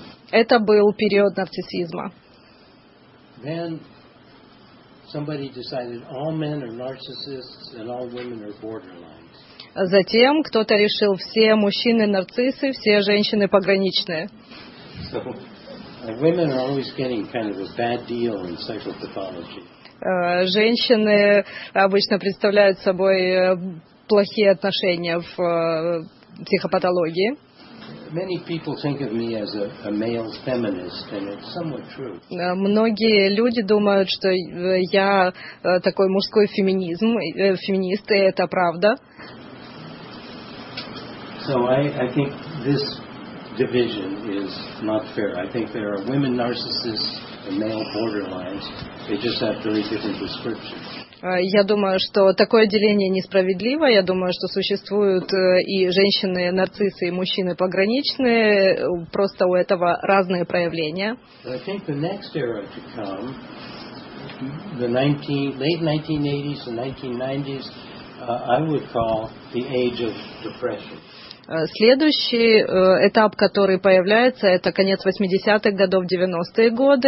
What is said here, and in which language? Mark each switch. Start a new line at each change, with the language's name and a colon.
Russian: Это был период нарциссизма.
English: Then somebody decided all men are narcissists and all women are borderline.
Russian: Затем кто-то решил, все мужчины нарциссы, все женщины пограничные.
English: So, women are always getting kind of a bad deal in sexual pathology.
Russian: Женщины обычно представляют собой плохие отношения в психопатологии.
English: Many people think of me as a male feminist, and it's somewhat true.
Russian: Многие люди думают, что я такой мужской феминист, и это правда.
English: So I think this division is not fair. I think there are women narcissists and male borderlines. They just have very different descriptions.
Russian: Я думаю, что такое деление несправедливо. Я думаю, что существуют и женщины-нарциссы, и мужчины-пограничные. Просто у этого разные проявления.
English: I think the next era to come, the late 1980s and 1990s, I would call the age of depression.
Russian: Следующий этап, который появляется, это конец 80-х годов, 90-е годы.